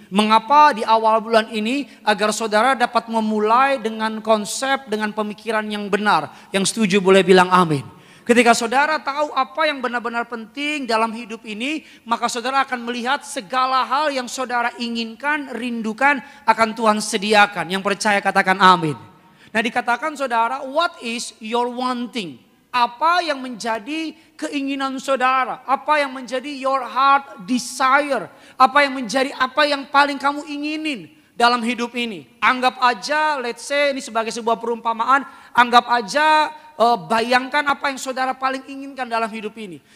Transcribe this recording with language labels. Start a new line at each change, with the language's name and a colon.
Indonesian: Mengapa di awal bulan ini agar saudara dapat memulai dengan konsep, dengan pemikiran yang benar. Yang setuju boleh bilang amin. Ketika saudara tahu apa yang benar-benar penting dalam hidup ini, maka saudara akan melihat segala hal yang saudara inginkan, rindukan, akan Tuhan sediakan. Yang percaya katakan amin. Nah dikatakan saudara,
English: what is your wanting?
Indonesian: Apa yang menjadi keinginan saudara? Apa yang menjadi
English: your heart desire?
Indonesian: Apa yang menjadi apa yang paling kamu inginin dalam hidup ini? Anggap aja,
English: let's say
Indonesian: ini sebagai sebuah perumpamaan, anggap aja, bayangkan apa yang saudara paling inginkan dalam hidup ini.